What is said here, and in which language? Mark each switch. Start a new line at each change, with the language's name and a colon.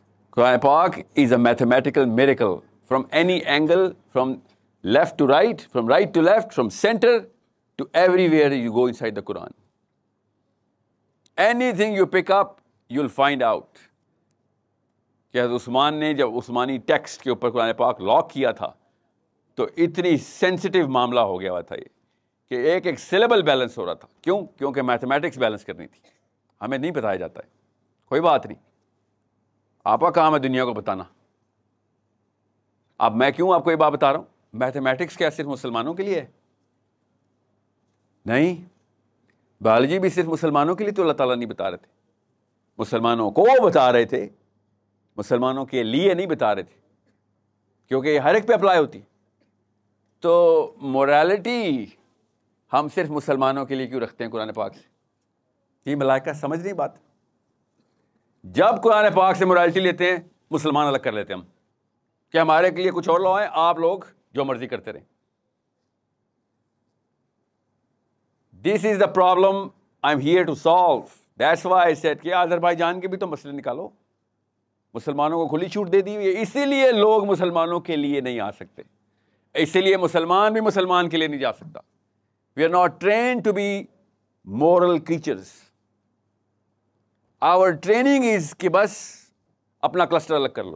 English: Quran پاک is a mathematical miracle from any angle, from left to right, from right to left, from centre to everywhere you go inside the Quran. Anything you pick up you will find out.
Urdu: کہ عثمان نے جب Usmani text کے اوپر قرآن پاک lock کیا تھا تو اتنی سینسیٹیو معاملہ ہو گیا ہوا تھا یہ, کہ ایک ایک سلیبل بیلنس ہو رہا تھا. کیوں؟ کیونکہ میتھمیٹکس بیلنس کرنی تھی. ہمیں نہیں بتایا جاتا ہے, کوئی بات نہیں, آپ کا کام ہے دنیا کو بتانا. اب میں کیوں آپ کو یہ بات بتا رہا ہوں؟ میتھمیٹکس کیا صرف مسلمانوں کے لیے ہے؟ نہیں, بایولوجی بھی صرف مسلمانوں کے لیے تو اللہ تعالیٰ نہیں بتا رہے تھے. مسلمانوں کو بتا رہے تھے, مسلمانوں کے لیے نہیں بتا رہے تھے, کیونکہ یہ ہر ایک پہ اپلائی ہوتی. تو موریلٹی ہم صرف مسلمانوں کے لیے کیوں رکھتے ہیں قرآن پاک سے؟ یہ ملائکہ سمجھ نہیں بات. جب قرآن پاک سے موریلٹی لیتے ہیں, مسلمان الگ کر لیتے ہیں ہم, کہ ہمارے لیے کچھ اور لاء ہیں, آپ لوگ جو مرضی کرتے رہیں.
English: This is the problem I am here to solve. That's why I said
Urdu: کہ آذربائیجان کے بھی تو مسئلے نکالو. مسلمانوں کو کھلی چھوٹ دے دی ہوئی ہے, اسی لیے لوگ مسلمانوں کے لیے نہیں آ سکتے, اسی لیے مسلمان بھی مسلمان کے لیے نہیں جا سکتا.
English: We are not trained to be moral creatures. Our training is
Urdu: کہ بس اپنا کلسٹر الگ کر لو.